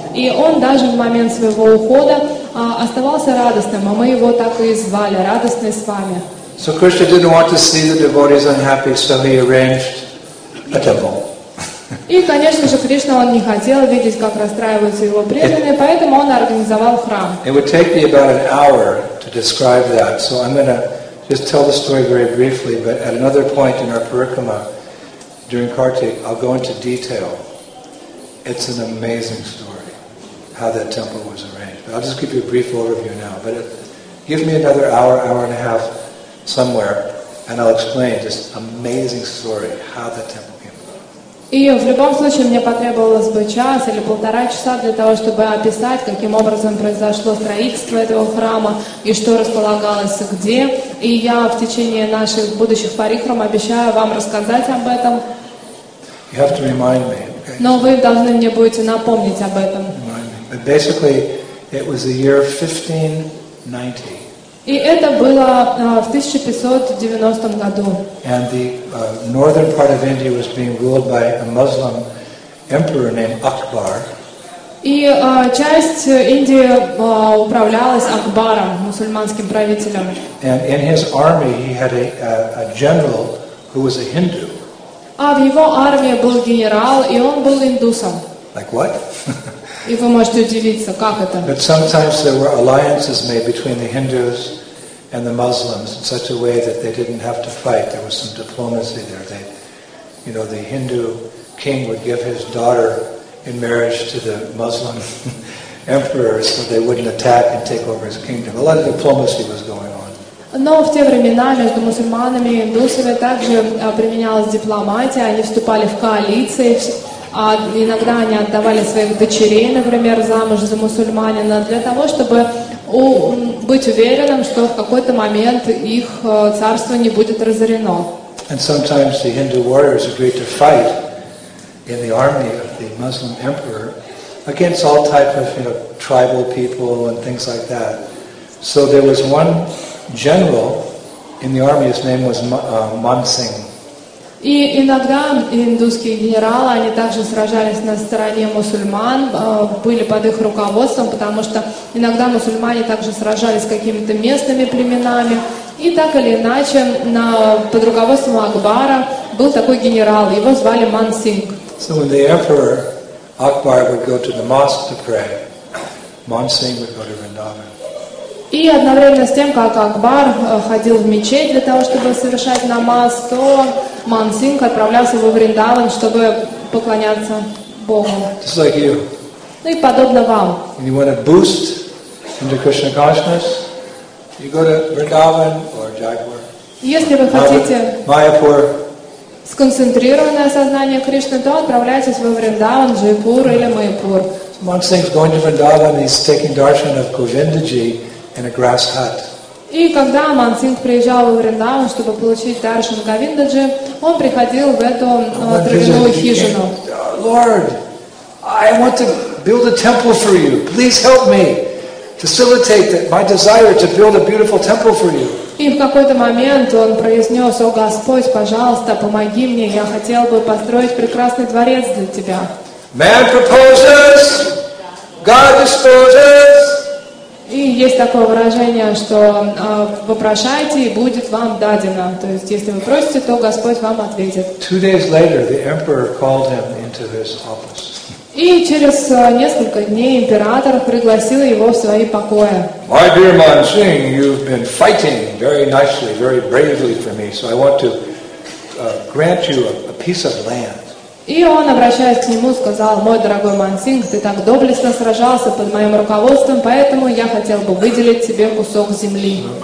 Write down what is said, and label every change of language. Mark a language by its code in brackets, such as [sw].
[ru] И он даже в момент своего ухода оставался радостным, а мы его так и звали, радостный с вами. [en] So Krishna didn't want to see the devotees unhappy, so he arranged a temple. [ru] И, конечно же, Кришна он не хотел видеть, как расстраиваются его преданные, поэтому он организовал храм. [en] It would take me about an hour to describe that, so I'm going to just tell the story very briefly, but at another point in our parikrama during Kartik, I'll go into detail. It's an amazing story, how that temple was arranged. But I'll just give you a brief overview now, but give me another hour, hour and a half, somewhere, and I'll explain this amazing story, how the temple came about. [ru] И в любом случае мне потребовалось бы час или полтора часа для того, чтобы описать, каким образом произошло строительство этого храма и что располагалось где. И я в течение наших будущих парикрам обещаю вам рассказать об этом. [en] You have to remind me. Okay? [ru] Но вы должны мне будете напомнить об этом. [en] But basically, it was the year 1590. [ru] И это было в 1590 году. [en] And the northern part of India was being ruled by a Muslim emperor named Akbar. [ru] И часть Индии управлялась Акбаром, мусульманским правителем. [en] And in his army he had a general who was a Hindu. [ru] А в его армии был генерал, и он был индусом. [en] Like what? [ru] И вы можете удивиться, как это? [en] But sometimes there were alliances made between the Hindus and the Muslims in such a way that they didn't have to fight. There was some diplomacy there. They, you know, the Hindu king would give his daughter in marriage to the Muslim emperor so they wouldn't attack and take over his kingdom. A lot of diplomacy was going on. [ru] Но в те времена между мусульманами и индусами также применялась дипломатия. Они вступали в коалиции. А иногда они отдавали своих дочерей, например, замуж за мусульманина, для того, чтобы быть уверенным, что в какой-то момент их царство не будет разорено. [en] And sometimes the Hindu warriors agreed to fight in the army of the Muslim emperor against all types of, you know, tribal people and things like that. So there was one general in the army, his name was Mansingh. [ru] И иногда индусские генералы, они также сражались на стороне мусульман, были под их руководством, потому что иногда мусульмане также сражались с какими-то местными племенами. И так или иначе, под руководством Акбара был такой генерал, его звали Мансингх. [en] So when the emperor Akbar would go to the mosque to pray, Mansingh would go to Vrindavan. [ru] И одновременно с тем, как Акбар ходил в мечеть для того, чтобы совершать намаз, то Мансингх отправлялся во Вриндаван, чтобы поклоняться Богу. [en] Just like you. [ru] Ну и подобно вам. [en] When you want to boost into Krishna consciousness, you go to Vrindavan or Jaipur. [ru] Если вы хотите Майяпур. Сконцентрированное сознание Кришны, то отправляйтесь во Вриндаван, Джайпур или Майяпур. [en] So Mansingh is going to Vrindavan, he's taking darshan of Govindaji in a grass hut. [ru] И когда Мансингх приезжал в Вриндаван, чтобы получить даршан Говиндаджи, он приходил в эту травяную хижину. [en] Lord, I want to build a temple for you. Please help me facilitate my desire to build a beautiful temple for you. [ru] И в какой-то момент он произнес: «О Господь, пожалуйста, помоги мне, я хотел бы построить прекрасный дворец для тебя». [en] Man proposes, God disposes. [ru] И есть такое выражение, что вопрошайте, и будет вам дадено. То есть, если вы просите, то Господь вам ответит. [en] Two days later, the emperor called him into his office. [ru] И через несколько дней император пригласил его в свои покои. [en] My dear Monsing, you've been fighting very nicely, very bravely for me, so I want to grant you a piece of land. [ru] И он, обращаясь к нему, сказал: «Мой дорогой Мансинг, ты так доблестно сражался под моим руководством, поэтому я хотел бы выделить тебе кусок земли».